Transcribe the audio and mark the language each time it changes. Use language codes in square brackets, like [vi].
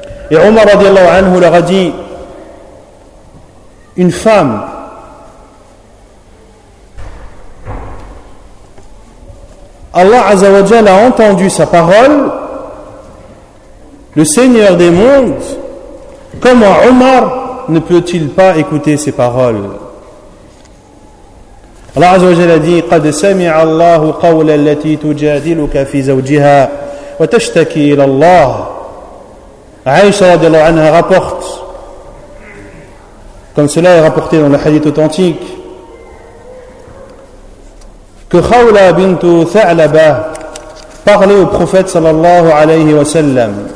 [fr] Et Omar radiyallahu anhu leur a dit: une femme Allah Azza wa Jalla a entendu sa parole le Seigneur des mondes, comment Omar ne peut-il pas écouter ses paroles ? Allah Azza wa Jalla dit : [ar] قد سمع الله قول التي تجادلك في زوجها وتشتكي إلى الله. [fr] Aïcha radiallahu anha rapporte, comme cela est rapporté dans le hadith authentique, que Khawla bint Tha'laba parlait au prophète sallallahu alayhi wa sallam.